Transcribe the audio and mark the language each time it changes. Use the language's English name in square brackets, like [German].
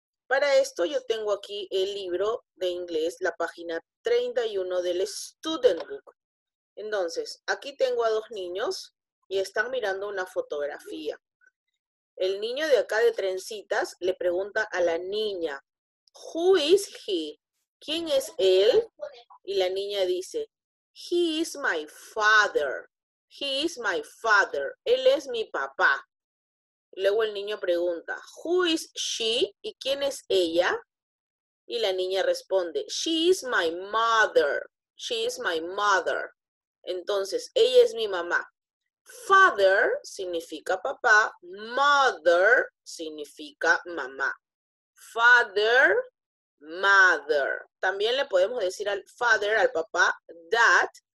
[Spanish] Para esto, yo tengo aquí el libro de inglés, la página 31 del Student Book. Entonces, aquí tengo a dos niños y están mirando una fotografía. El niño de acá de trencitas le pregunta a la niña, [English] Who is he? [Spanish] ¿Quién es él? Y la niña dice, [English] He is my father. He is my father. [Spanish] Él es mi papá. Luego el niño pregunta, [English] Who is she? [Spanish] ¿Y quién es ella? Y la niña responde, [English] She is my mother. She is my mother. [Spanish] Entonces, ella es mi mamá. Father significa papá. Mother significa mamá. Father, mother. También le podemos decir al father, al papá, dad.